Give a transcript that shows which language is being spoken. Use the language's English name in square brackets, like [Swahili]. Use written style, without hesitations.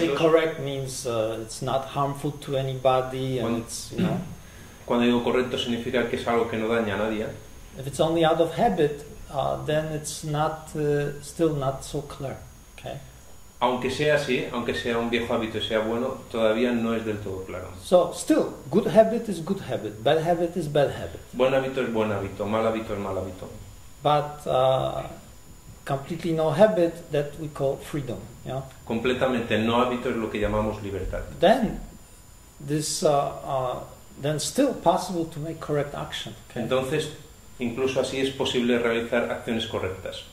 [English] When I say correct means it's not harmful to anybody and it's, you know. [Spanish] Cuando digo correcto significa que es algo que no daña a nadie. [English] If it's only out of habit, then it's not still not so clear. Okay. [Spanish] Aunque sea así, aunque sea un viejo hábito y sea bueno, todavía no es del todo claro. [English] So, still, good habit is good habit, bad habit is bad habit. [Spanish] Buen hábito es buen hábito, mal hábito es mal hábito. [English] But completely no habit, that we call freedom. Yeah? [Spanish] Completamente no hábito es lo que llamamos libertad. [English] Then, this, then still possible to make correct action. Okay? [Spanish] Entonces, incluso así es posible realizar acciones correctas.